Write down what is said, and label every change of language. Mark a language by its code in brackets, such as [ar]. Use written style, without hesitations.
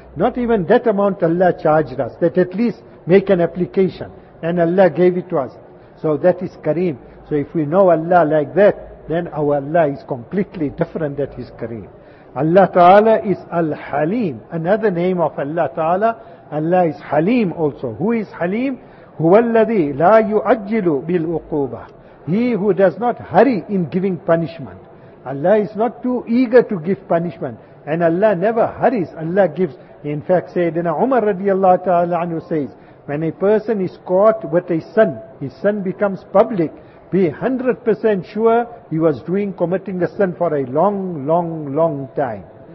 [en] Not even that amount Allah charged us, that at least make an application. And Allah gave it to us. So that is Kareem. So if we know Allah like that, then our Allah is completely different. That is Kareem. Allah Ta'ala is Al-Haleem. Another name of Allah Ta'ala. Allah is Haleem also. Who is Haleem? [ar] هو الذي لا يؤجل بالعقوبة. [en] He who does not hurry in giving punishment. Allah is not too eager to give punishment. And Allah never hurries. Allah gives. In fact, Sayyidina Umar radiallahu ta'ala anhu says, when a person is caught with a sin, his sin becomes public, be 100% sure he was committing a sin for a long, long, long time.